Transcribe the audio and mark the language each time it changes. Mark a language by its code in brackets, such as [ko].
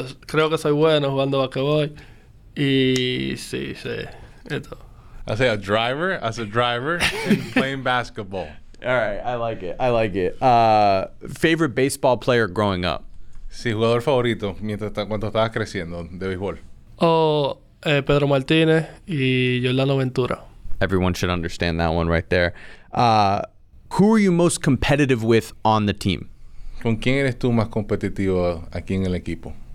[es] Creo que soy bueno jugando basquetbol. Y sí. Esto. [en] I say as a driver, and playing basketball. All right, I like it. Favorite baseball player growing up? [es] Sí, jugador favorito cuando estabas creciendo de béisbol. Pedro Martínez y Yordano Ventura. [en] Everyone should understand that one right there. Who are you most competitive with on the team? [es] ¿Con quién eres tú más competitivo aquí en el equipo?